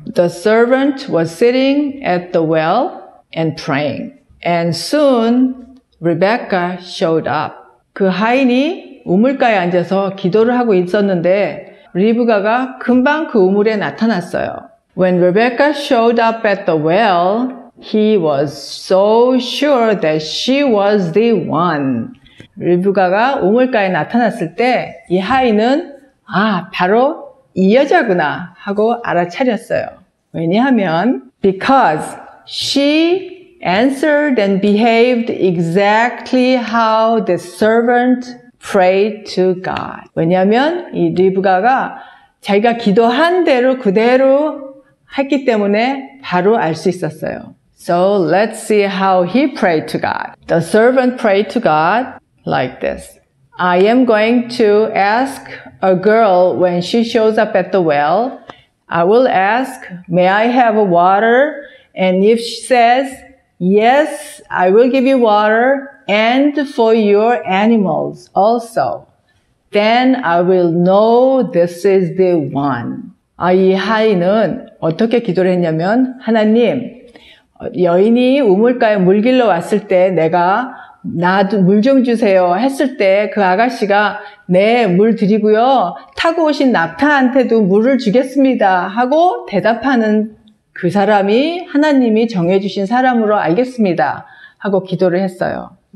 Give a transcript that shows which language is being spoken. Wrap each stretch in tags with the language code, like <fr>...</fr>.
<en>The servant was sitting at the well and praying. And soon, Rebecca showed up.</en> <ko>그 하인이 우물가에 앉아서 기도를 하고 있었는데 리브가가 금방 그 우물에 나타났어요.</ko> <en>When Rebecca showed up at the well, he was so sure that she was the one.</en> <ko>리브가가 우물가에 나타났을 때 이 하인은 아, 바로 이 여자구나 하고 알아차렸어요. 왜냐하면</ko> <en>because she answered and behaved exactly how the servant pray to God.</en> <ko>왜냐하면 이 리브가가 자기가 기도한 대로 그대로 했기 때문에 바로 알 수 있었어요.</ko> <en>So let's see how he prayed to God. The servant prayed to God like this. I am going to ask a girl when she shows up at the well. I will ask, may I have a water? And if she says, yes, I will give you water. And for your animals also. Then I will know this is the one.</en> <ko>아, 이 하인은 어떻게 기도를 했냐면 하나님, 여인이 우물가에 물길러 왔을 때 내가 나도 물 좀 주세요 했을 때 그 아가씨가 네, 물 드리고요. 타고 오신 낙타한테도 물을 주겠습니다 하고 대답하는 그 사람이 하나님이 정해주신 사람으로 알겠습니다 하고 기도를 했어요.</ko>